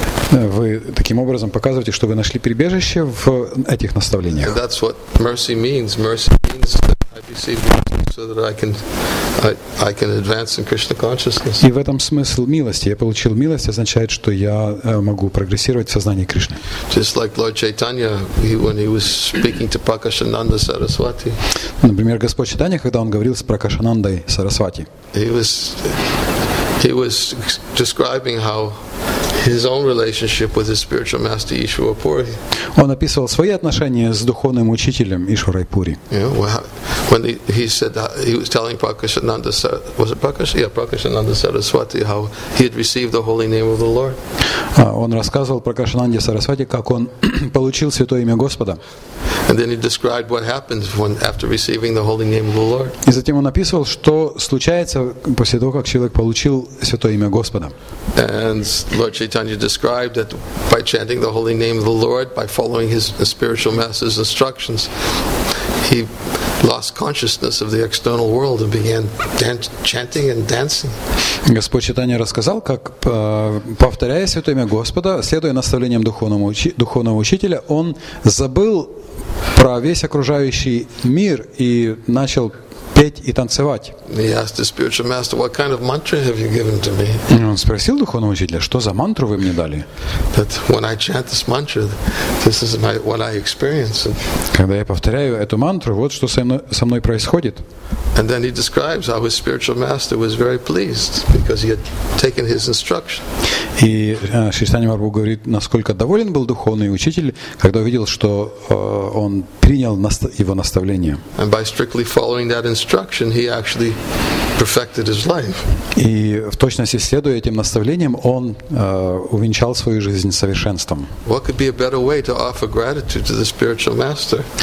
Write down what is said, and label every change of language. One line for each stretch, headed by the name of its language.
Russian: Вы таким образом показываете, что вы нашли прибежище в этих наставлениях.
English: And that's what mercy means. Mercy means that I receive mercy so that I can advance in Krishna consciousness.
Russian: И в этом смысл милости. Я получил милость, означает, что я могу прогрессировать в сознании Кришны.
English: Just like Lord Chaitanya, when he was speaking to Prakashananda Saraswati.
Russian: Например, Господь Чайтанья, когда он говорил с Пракашанандой Сарасвати.
English: He was describing how his own relationship with his spiritual master Ishwarapuri.
Russian: Он описывал свои отношения с духовным учителем Ишварайпури.
English: When he said that, he was telling Prakashananda, was it Prakashananda? Yeah, Prakashananda Saraswati, how he had received the holy name of the Lord.
Russian: Он рассказывал Прокашананде Сарасвати, как он получил святое имя Господа.
English: And then he described what happens when after receiving the holy name of the Lord.
Russian: И затем он описывал, что случается после того, как человек получил святое имя Господа.
English: And Lord Chaitanya described that by chanting the holy name of the Lord, by following his spiritual master's instructions, he lost consciousness of the external world and began chanting and dancing.
Russian: Господь Чайтанья рассказал, как, повторяя святое имя Господа, следуя наставлениям духовного учителя, он забыл про весь окружающий мир и начал петь и танцевать.
English: He asked the spiritual master, "What kind of mantra have you given to me?"
Russian: Он спросил духовного учителя, что за мантру вы мне дали?
English: That when I chant this mantra, this is what I experience.
Russian: Когда я повторяю эту мантру, вот что со мной происходит.
English: And then he describes how his spiritual master was very pleased because he had taken his instruction.
Russian: И Шриштани Марбу говорит, насколько доволен был духовный учитель, когда увидел, что он принял его наставление.
English: And by strictly following that instruction, he actually perfected his life.
Russian: И в точности следуя этим наставлениям, он увенчал свою жизнь совершенством.
English: What could be a better way to offer gratitude to the spiritual master?